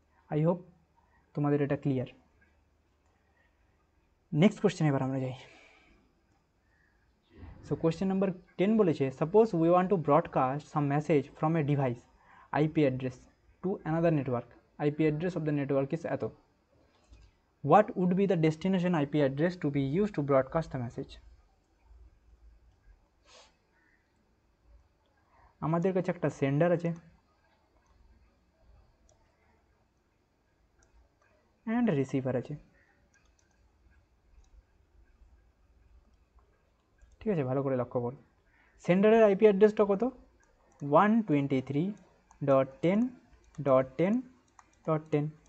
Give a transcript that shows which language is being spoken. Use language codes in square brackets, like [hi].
[en] I hope [bn] তোমাদের এটা clear. [en] next question [bn] এবার আমরা যাই। [en] so question number 10 [bn] বলেছে, [en] Suppose we want to broadcast some message from a device IP address to another network, IP address of the network is এত। what would be the destination IP address to be used to broadcast the message? [bn] আমাদের কাছে একটা sender আছে [en] and [bn] receiver আছে, ঠিক আছে? ভালো করে লক্ষ্য কর, সেন্ডারের আইপি অ্যাড্রেসটা কত? 123.10.10.10.